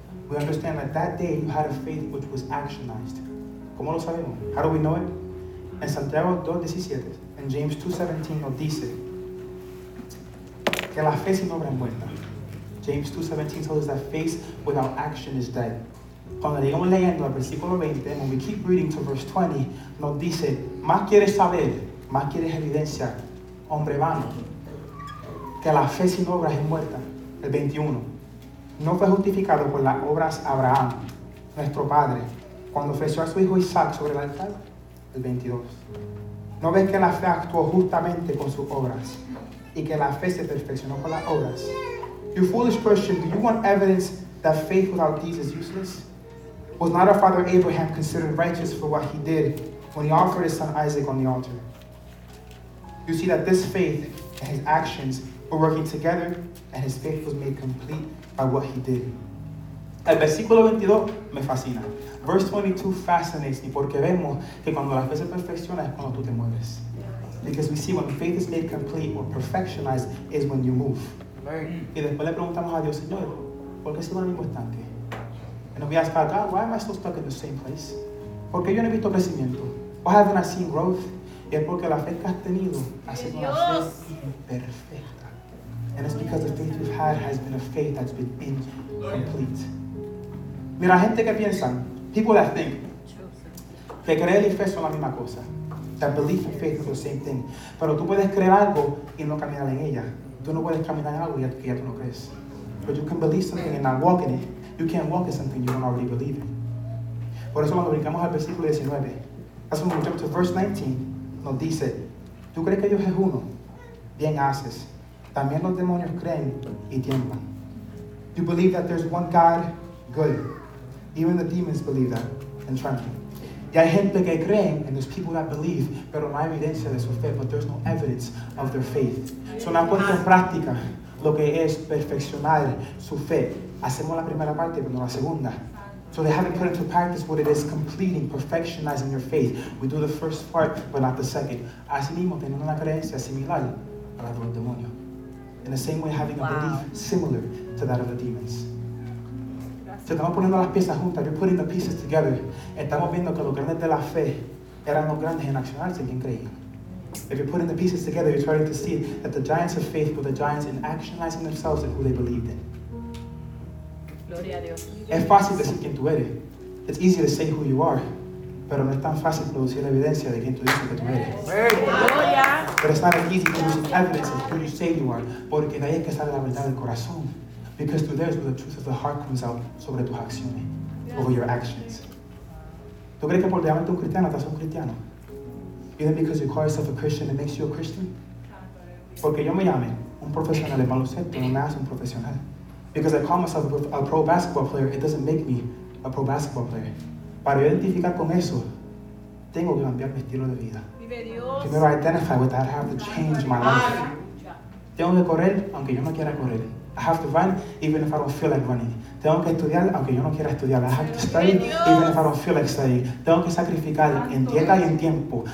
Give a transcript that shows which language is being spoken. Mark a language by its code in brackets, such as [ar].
[en] We understand that that day you had a faith which was actionized. [es] ¿Cómo lo sabemos? [en] How do we know it? [es] En Santiago 2:17, en James 2:17 nos dice que la fe sin obra es muerta. [en] James 2:17 tells us that faith without action is dead. [es] Cuando llegamos leyendo al versículo 20, [en] when we keep reading to verse 20, [es] nos dice, más quieres saber, más quieres evidencia, hombre vano, que la fe sin obras es muerta. El 21, no fue justificado por las obras Abraham, nuestro padre, cuando ofreció a su hijo Isaac sobre el altar. El 22, no ves que la fe actuó justamente con sus obras, y que la fe se perfeccionó con las obras. [en] You foolish person, do you want evidence that faith without deeds is useless? Was not our father Abraham considered righteous for what he did when he offered his son Isaac on the altar? You see that this faith and his actions were working together, and his faith was made complete by what he did. [es] El versículo 22 me fascina. [en] Verse 22 fascinates me [es] porque vemos que cuando la fe se perfecciona es cuando tú te mueves. [en] Because we see when faith is made complete or perfectionized is when you move. [es] Y después le preguntamos a Dios, Señor, ¿por qué sigo en el mismo estanque? [en] And we ask God, why am I still stuck in the same place? [es] ¿Por qué yo no he visto crecimiento? [en] Why haven't I seen growth? [es] Y es porque la fe que has tenido ha sido una fe perfecta. [en] And it's because the faith you've had has been a faith that's been in you, complete. [es] Mira, gente que piensan, [en] people that think, [es] que creer y fe son la misma cosa. [en] That belief and faith are the same thing. [es] Pero tú puedes creer algo y no caminar en ella. Tú no puedes caminar en algo y ya tú no crees. [en] But you can believe something and not walk in it. You can't walk in something you don't already believe in. [es] Por eso cuando brincamos al versículo 19, [en] that's when we jump to verse 19, [es] nos dice, ¿tú crees que Dios es uno? Bien haces. También los demonios creen y tiemblan. [en] You believe that there's one God? Good. Even the demons believe that and tremble. [es] Y hay gente que creen, [en] and there's people that believe, [es] pero no hay evidencia de su fe, [en] but there's no evidence of their faith. So now put [es] en práctica lo que es perfeccionar su fe. Hacemos la primera parte, pero no la segunda. [en] So they haven't put into practice what it is completing, perfectionizing your faith. We do the first part, but not the second. [es] Asimismo, teniendo una creencia similar a la del demonio. [en] In the same way, having a belief similar to that of the demons. [es] Te estamos poniendo las piezas juntas. [en] You're putting the pieces together. [es] Estamos viendo que los grandes de la fe eran los grandes en accionarse, quien creía. [en] If you're putting the pieces together, you're starting to see that the giants of faith were the giants in actualizing themselves and who they believed in. [es] Gloria a Dios. Es fácil decir quién tú eres. [en] It's easy to say who you are. [es] Pero no es tan fácil producir la evidencia de quién tú dices que tú eres. Gloria. [en] But it's not as easy to produce evidence of who you say you are. [es] Porque de ahí es que sale la verdad del corazón. [en] Because through there is where the truth of the heart comes out [es] sobre tus acciones, [en] over your actions. [es] ¿Tú crees que por llamarte un cristiano, estás un cristiano? [en] You think because you call yourself a Christian, it makes you a Christian? [es] Porque yo me llame un profesional de baloncesto, no me hace un profesional. [en] Because I call myself a pro basketball player, it doesn't make me a pro basketball player. [es] Para identificar con eso, tengo que cambiar mi estilo de vida. [en] Primero, identify with that, I have to change my life. [es] Tengo que correr, aunque yo no quiera correr. [en] I have to run even if I don't feel like running. [es] Tengo que estudiar aunque yo no quiera estudiar. [en] I have to study even if I don't feel like studying. [es] Tengo que sacrificar en dieta y en tiempo.